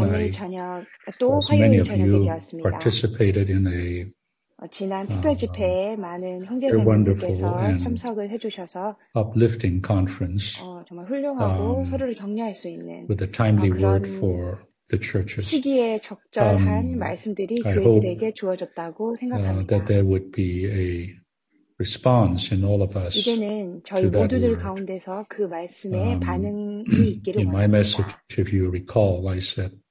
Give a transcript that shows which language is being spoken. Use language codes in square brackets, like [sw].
[en] I suppose many of you participated in a [ko] 지난 특별 집회에 많은 형제 자매님들께서 [en] uplifting conference [ko] 정말 훌륭하고 서로를 격려할 수 있는 [en] with a timely word for the churches. [ko] 시기에 적절한 말씀들이 교회들에게 주어졌다고 생각합니다. [en] That there would be a response in all of us. [ko] 이제는 저희 [en] to that [ko] 모두들 [en] word. [ko] 가운데서 그 말씀에 반응이 있기를 원합니다. [en] In my message, if you recall, I said.